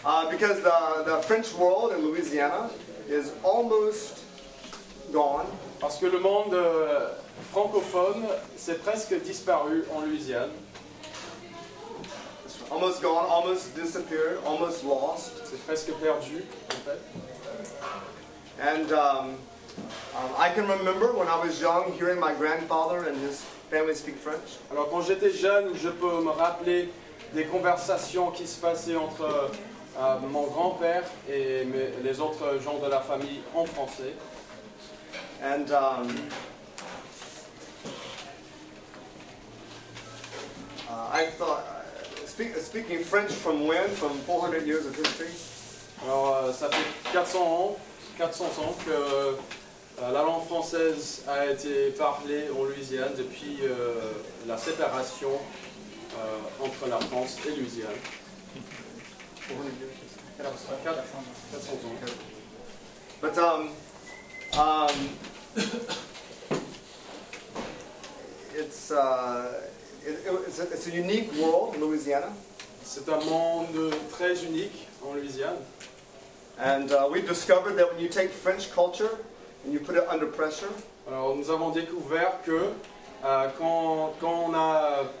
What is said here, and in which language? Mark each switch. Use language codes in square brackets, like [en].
[en] Because the French world in Louisiana is almost gone. [fr] Parce que le monde francophone s'est presque disparu en Louisiane. [en] Almost gone, almost disappeared, almost lost. [fr] C'est presque perdu, en fait. [en] And I can remember when I was young hearing my grandfather and his family speak French. [fr] Alors quand j'étais jeune, je peux me rappeler des conversations qui se passaient entre mon grand-père et les autres gens de la famille en français. [en] And I thought. Speaking French from when? From 400 years of history? [fr] Alors, ça fait 400 ans que la langue française a été parlée en Louisiane depuis la séparation entre la France et Louisiane. 400 ans. [en] It's a unique world in Louisiana. [fr] C'est un monde très unique en Louisiane. [en] And we've discovered that when you take French culture and you put it under pressure. [fr] Alors nous avons découvert que quand on a